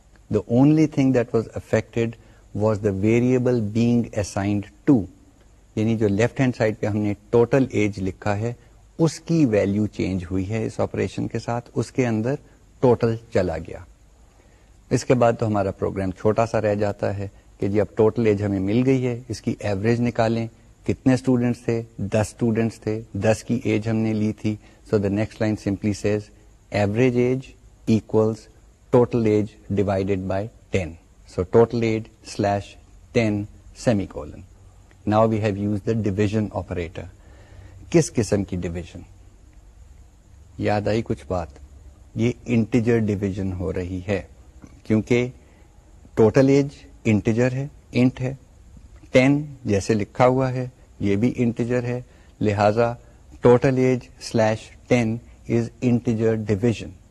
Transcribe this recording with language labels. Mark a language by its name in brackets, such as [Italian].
[English] The only thing that was affected was the variable being assigned to. [Urdu] یعنی جو left hand side پہ ہم نے ٹوٹل ایج لکھا ہے اس کی ویلیو چینج ہوئی ہے اس آپریشن کے ساتھ, اس کے اندر ٹوٹل چلا گیا. اس کے بعد تو ہمارا پروگرام چھوٹا سا رہ جاتا ہے کہ جی اب ٹوٹل ایج ہمیں مل گئی ہے, اس کی ایوریج نکالیں کتنے اسٹوڈینٹس تھے. 10 اسٹوڈینٹس تھے, 10 کی ایج ہم نے لی تھی. [English] So the next line simply says average age equals total age divided by 10. So total age slash 10 semicolon. Now we have use the division operator. [Urdu] کس قسم کی ڈیویژن؟ یاد آئی کچھ بات, یہ انٹیجر ڈیویژن ہو رہی ہے کیونکہ ٹوٹل ایج انٹیجر ہے, انٹ ہے, 10 جیسے لکھا ہوا ہے یہ بھی انٹیجر ہے, لہذا total age slash 10 is integer division.